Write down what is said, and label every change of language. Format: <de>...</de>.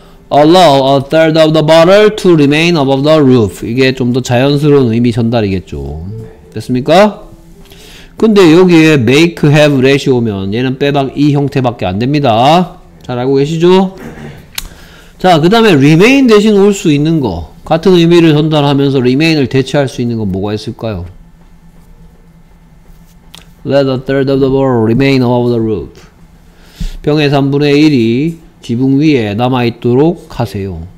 <en>allow a third of the bottle to remain above the roof.</en> <ko>이게 좀 더 자연스러운 의미 전달이겠죠. 됐습니까? 근데 여기에</ko> <en>make have ratio</en> <ko>면 얘는 빼박 이 형태밖에 안 됩니다. 잘 알고 계시죠? 자, 그 다음에 remain 대신 올 수 있는 거. 같은 의미를 전달하면서 remain을 대체할 수 있는 건 뭐가 있을까요?</ko> <en>Let a third of the bottle remain above the roof.</en> <ko>병의 3분의 1이 지붕 위에 남아있도록 하세요.</ko>